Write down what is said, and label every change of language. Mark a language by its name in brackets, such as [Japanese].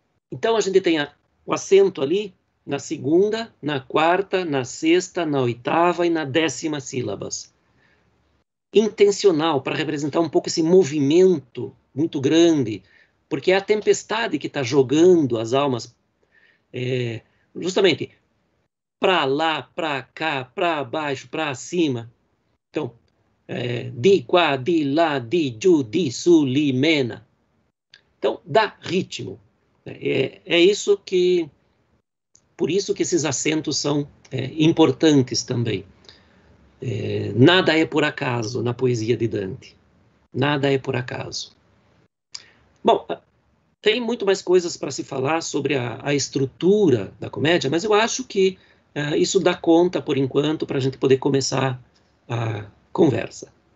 [Portuguese] Então a gente tem o acento ali na segunda, na quarta, na sexta, na oitava e na décima sílabas. Intencional, para representar um pouco esse movimento muito grande, porque é a tempestade que está jogando as almas, justamente para lá, para cá, para baixo, para cima. [Italian] Então, di qua, di lá, di giù, di su, li mena. [Portuguese] Então, dá ritmo. É isso que. Por isso que esses acentos são importantes também. Nada é por acaso na poesia de Dante. Nada é por acaso. Bom, tem muito mais coisas para se falar sobre a estrutura da comédia, mas eu acho que isso dá conta por enquanto para a gente poder começar a conversa.